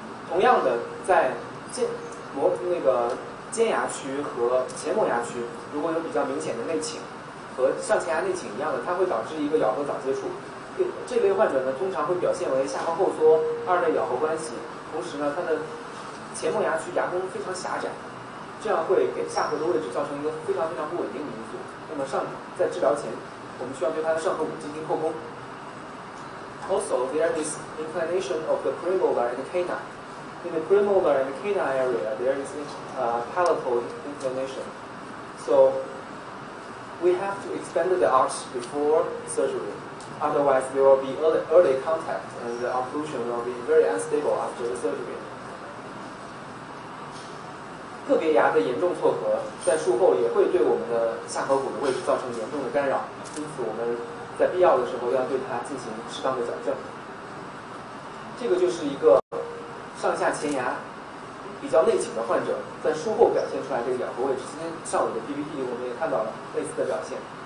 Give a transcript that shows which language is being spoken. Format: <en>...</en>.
<zh>同样的，在尖牙区和前磨牙区如果有比较明显的内倾，和上前牙内倾一样的，它会导致一个咬合早接触。这类患者呢，通常会表现为下颌后缩、二类咬合关系，同时呢，它的前磨牙区牙弓非常狭窄，这样会给下颌的位置造成一个非常非常不稳定的因素。那么在治疗前，我们需要对它的上颌骨进行后弓。</zh> <en>Also, there is inclination of the premolar and canine. In the premolar and canine area, there is palatal inclination. So, we have to extend the arch before surgery. Otherwise, there will be early contact, and the occlusion will be very unstable after the surgery.</en> <zh>特别牙的严重错颌在术后也会对我们的下颌骨的位置造成严重的干扰，因此我们在必要的时候要对它进行适当的矫正。这个就是一个上下前牙比较内倾的患者在术后表现出来的咬合位置，今天上午的 PPT 我们也看到了类似的表现。</zh>